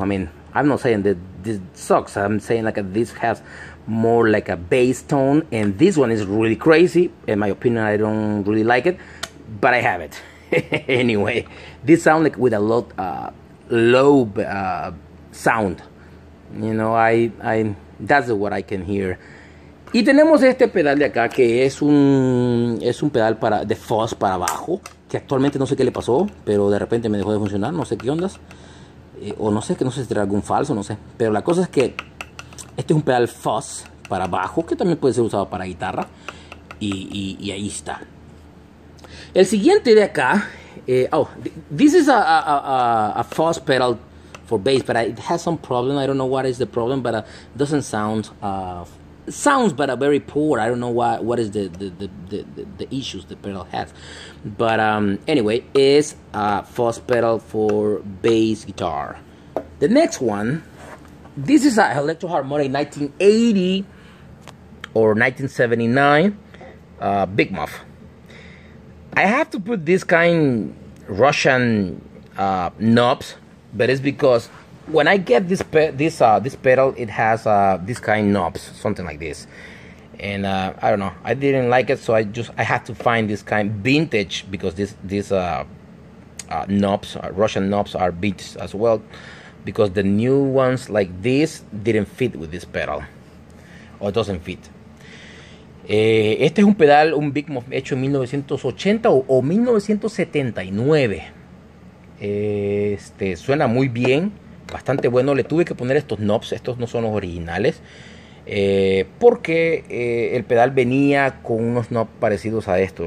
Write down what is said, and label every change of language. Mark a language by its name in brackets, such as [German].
[English] I mean, I'm not saying that this sucks. I'm saying like a, this has more like a bass tone, and this one is really crazy in my opinion. I don't really like it, but I have it. Anyway, this sound like with a lot low sound, you know, I that's what I can hear. [Spanish] Y tenemos este pedal de acá, que es un pedal para de fuzz para abajo, que actualmente no sé qué le pasó, pero de repente me dejó de funcionar, no sé qué ondas, o no sé, que no sé si era algún falso, no sé, pero la cosa es que este es un pedal fuzz para bajo, que también puede ser usado para guitarra. Y ahí está. El siguiente de acá. [English] This is a fuzz pedal for bass, but it has some problem. I don't know what is the problem, but it doesn't sound. Sounds, but a very poor. I don't know what is the issues the pedal has. But anyway, it's a fuzz pedal for bass guitar. The next one. This is a Electro Harmonic 1980 or 1979 Big Muff. I have to put this kind Russian knobs, but it's because when I get this pedal, it has this kind knobs, something like this. And I don't know, I didn't like it, so I have to find this kind vintage, because Russian knobs are vintage as well. Because the new ones like this didn't fit with this pedal. Or it doesn't fit. [Spanish] Este es un pedal, un Big Muff, hecho en 1980 o 1979. Este suena muy bien. Bastante bueno. Le tuve que poner estos knobs. Estos no son los originales. Porque el pedal venía con unos knobs parecidos a estos.